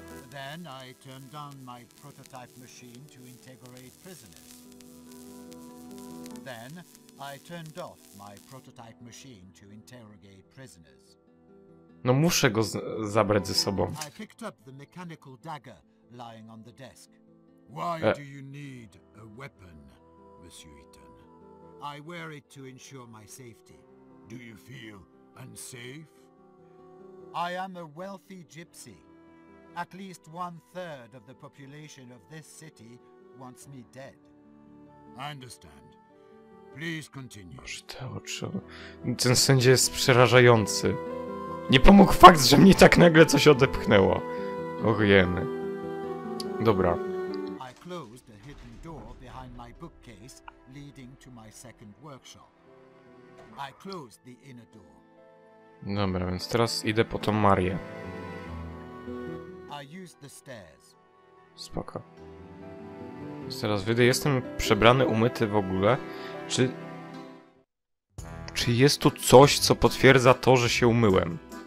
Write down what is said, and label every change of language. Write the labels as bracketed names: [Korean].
[English] Then I turned down my prototype machine to integrate prisoners. Then I turned off my prototype machine to interrogate prisoners. [Polish] No muszę go zabrać ze sobą. [English] I picked up the mechanical dagger lying on the desk. Why do you need a weapon, Monsieur Eaton? I wear it to ensure my safety. Do you feel unsafe? I am a wealthy gypsy. At least one third of the population of this city wants me dead. I understand. Please continue. [Polish] Boże, te oczy. Ten sędzia jest przerażający. Nie pomógł fakt, że mnie tak nagle coś odepchnęło. Och, jemy. Dobra. [English] I closed a hidden door behind my bookcase, leading to my second workshop. I closed the inner door. [Polish] Dobra, więc teraz idę po tą Marię. [English] I used the stairs. [Polish] Spoko. Więc teraz wyjdę. Jestem przebrany, umyty w ogóle. Czy jest tu coś, co potwierdza to, że się umyłem?